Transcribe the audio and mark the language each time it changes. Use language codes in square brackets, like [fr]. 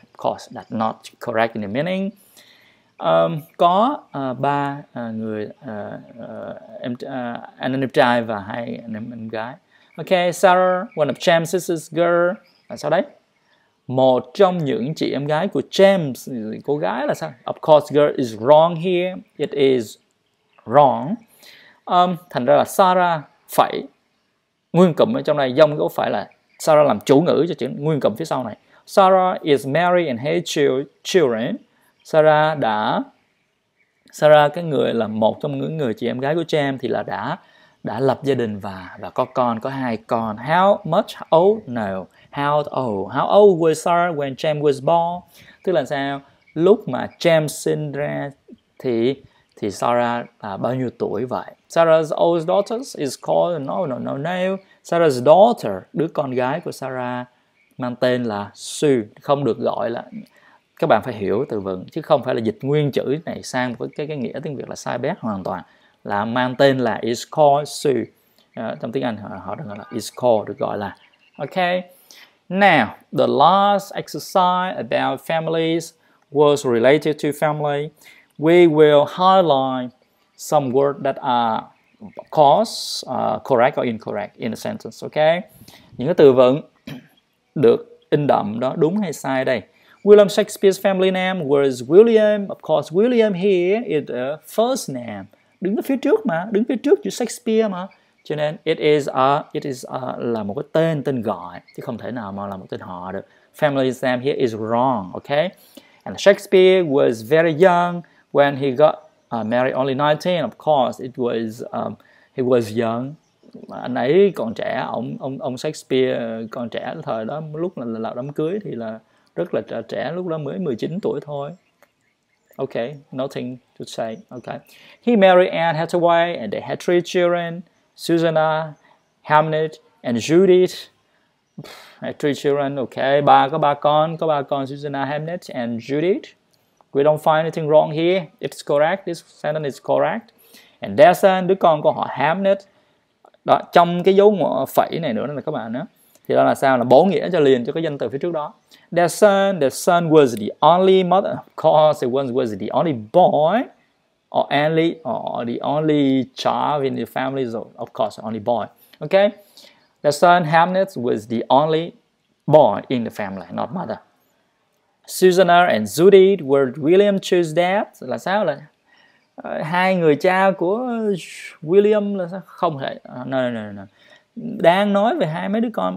[en] Of course, that's not correct in the meaning. [vi] Có 3 người anh em trai và 2 anh em gái. [en] Okay, Sarah, one of James' sister's girl. [vi] Là sao đấy? Một trong những chị em gái của James, cô gái là sao? [en] Of course, girl is wrong here. It is wrong. [vi] Thành ra là Sarah phải nguyên cụm ở trong này, dòng gốc phải là Sarah làm chủ ngữ cho chữ nguyên cụm phía sau này. [en] Sarah is married and has children. [vi] Sarah cái người là một trong những người chị em gái của James thì là đã lập gia đình và có con, có 2 con. [en] How much old? No. How old? How old was Sarah when James was born? [vi] Tức là sao? Lúc mà James sinh ra thì Sarah là bao nhiêu tuổi vậy? [en] Sarah's oldest daughter is called no. [vi] Sarah's daughter, đứa con gái của Sarah mang tên là Sue, không được gọi là, các bạn phải hiểu từ vựng, chứ không phải là dịch nguyên chữ này sang với cái nghĩa tiếng Việt là sai bét hoàn toàn, là mang tên là [en] is called Sue. [vi] Trong tiếng Anh họ được gọi là is called, được gọi là. [en] Okay. Now, the last exercise about families was related to family. We will highlight some words that are cause, correct or incorrect in a sentence, okay? [vi] Những cái từ vựng được in đậm đó, đúng hay sai đây. [en] William Shakespeare's family name was William. Of course, William here is a first name. [vi] Đứng ở phía trước mà, đứng phía trước chữ Shakespeare mà. Cho nên [en] it is a [vi] là một cái tên gọi chứ không thể nào mà là một tên họ được. [en] Family name here is wrong, okay? And Shakespeare was very young when he got married, only 19. Of course, it was he was young. [vi] Anh ấy còn trẻ, ông Shakespeare còn trẻ thời đó, lúc là đám cưới thì là rất là trẻ, lúc đó mới 19 tuổi thôi. [en] Okay, nothing to say. Okay, he married Anne Hathaway and they had 3 children. Susanna, Hamnet, and Judith. Pff, 3 children, okay. [vi] Ba có 3 con. Có 3 con, [en] Susanna, Hamnet, and Judith. We don't find anything wrong here. It's correct. This sentence is correct. And their son, [vi] đứa con của họ, Hamnet. Đó, trong cái dấu phẩy này nữa là các bạn đó. Thì đó là sao? Là bổ nghĩa cho liền cho cái danh từ phía trước đó. [en] Their son was the only mother. Of course, it was the only boy. Or the only child in the family, so of course, only boy. Okay, the son Hamnet was the only boy in the family, not mother. Susanna and Judith were William chose dad. [vi] Là sao là hai người cha của William là sao? Không thể. [en] No. [vi] Đang nói về hai mấy đứa con.